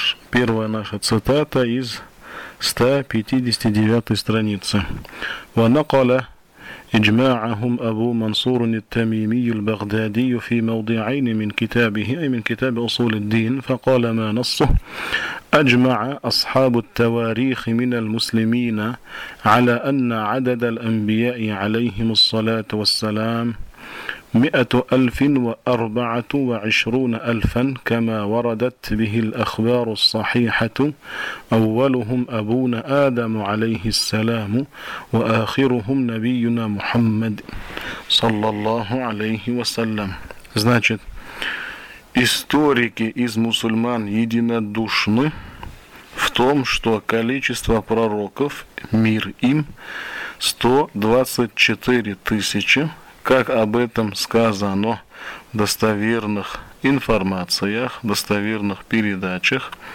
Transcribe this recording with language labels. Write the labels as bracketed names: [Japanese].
[Russian] Первая наша цитата из 159 страницы. [Arabic] «Ва накаля إجماعهم أبو منصور التميمي البغدادي في موضعين من كتابه أي من كتاب أصول الدين فقال ما نصه أجمع أصحاب التواريخ من المسلمين على أن عدد الأنبياء عليهم الصلاة والسلام 124,000 كما وردت به الأخبار الصحيحة أولهم أبونا آدم عليه السلام وآخرهم نبينا محمد صلى الله عليه وسلم. [Russian] Значит, историки из мусульман единодушны в том, что количество пророков, мир им, 124 тысячи, как об этом сказано в достоверных информациях, в достоверных передачах.